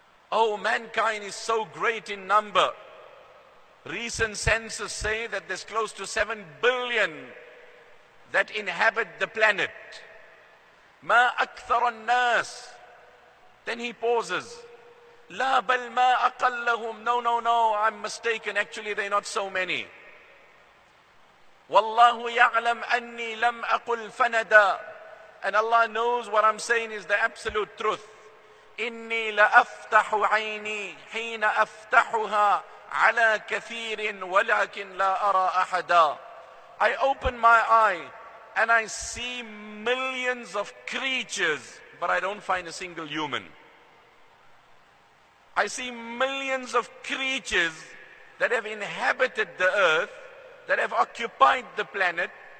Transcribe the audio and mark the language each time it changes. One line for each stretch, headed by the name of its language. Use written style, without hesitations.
English: Oh, mankind is so great in number. Recent census say that there's close to 7 billion that inhabit the planet.
Arabic: Ma akthar an-nas.
English: Then he pauses.
Arabic: لا بل ما أقلهم.
English: No, I'm mistaken. Actually, they're not so many.
Arabic: والله يعلم أني لم أقل فندا.
English: And Allah knows what I'm saying is the absolute truth.
Arabic: إني لأفتح عيني حين أفتحها على كثير ولكن لا أرى أحدا.
English: I open my eye and I see millions of creatures, but I don't find a single human. I see millions of creatures that have inhabited the earth, that have occupied the planet.